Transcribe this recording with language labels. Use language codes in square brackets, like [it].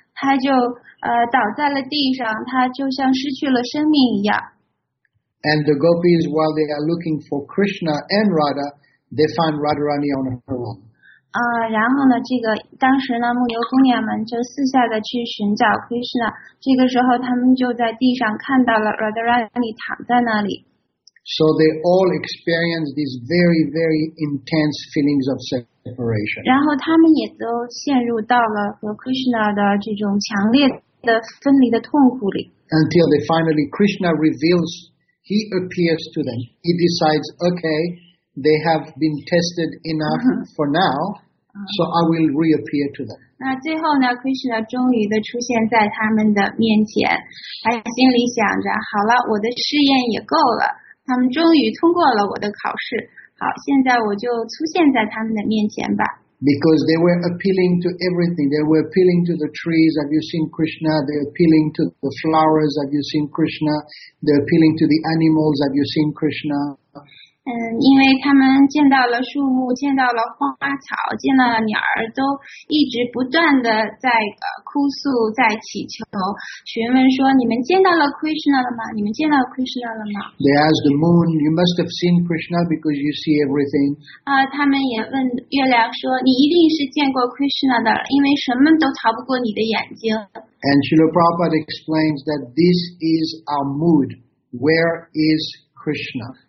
[zh] 她就倒在了地上，她就像失去了生命一样。 [en] And the gopis, while they are looking for Krishna and Radha, they find Radharani on her own. [zh] 然后呢，这个当时呢，牧牛姑娘们就四下的去寻找 Krishna。这个时候，他们就在地上看到了 Radharani 躺在那里。 [en] So they all experience these very, very intense feelings of separation. [zh] 然后他们也都陷入到了和 Krishna 的这种强烈的分离的痛苦里。 [en] Until they finally, Krishna reveals, he appears to them. He decides, okay, they have been tested enough for now, so I will reappear to them. [zh] 那最后呢 ，Krishna 终于的出现在他们的面前，他心里想着，好了，我的试验也够了。他们终于通过了我的考试。好，现在我就出现在他们的面前吧。 [en] Because they were appealing to everything. They were appealing to the trees. Have you seen Krishna? They're appealing to the flowers. Have you seen Krishna? They're appealing to the animals. Have you seen Krishna? [zh] 因为他们见到了树木，见到了花草，见到了鸟儿，都一直不断的在哭诉，在祈求，询问说：“你们见到了 Krishna 了吗？你们见到 Krishna 了吗 [en] ？”They asked the moon, "You must have seen Krishna because you see everything." [zh] 他们也问月亮说：“你一定是见过 Krishna 的，因为什么都逃不过你的眼睛。 [en] ”And Srila Prabhupada explains that this is our mood. Where is Krishna?